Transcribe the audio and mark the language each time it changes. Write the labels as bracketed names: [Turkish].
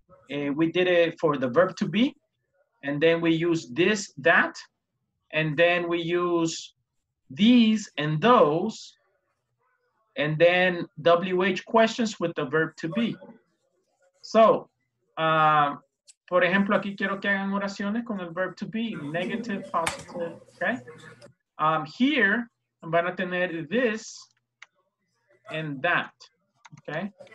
[English] We did it for the verb to be. And then we use this, that. And then we use these and those. And then WH questions with the verb to be. [Spanish] So, por ejemplo, aquí quiero que hagan oraciones con el [English] verb to be. Negative, positive, okay? Here, [Spanish] van a tener [English] this and that, okay?